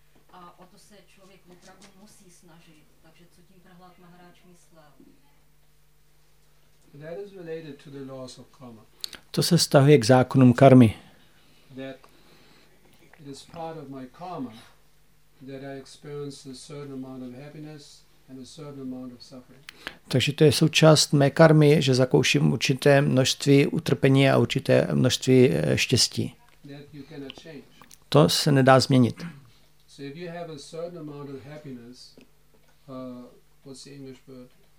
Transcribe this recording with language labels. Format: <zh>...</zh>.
<cs>A o to se člověk opravdu musí snažit. Takže co tím Prahlád Maharáč myslel?</cs> <en>That is related to the laws of karma.</en> <cs>To se vztahuje k zákonům karmy.</cs> <en>That it is part of my karma that I experience a certain amount of happiness and a certain amount of suffering.</en> <cs>Takže to je součást mé karmy, že zakouším určité množství utrpení a určité množství štěstí.</cs> <en>That you cannot change.</en> <cs>To se nedá změnit.</cs> <en>So if you have a certain amount of happiness, what's the English word?</en>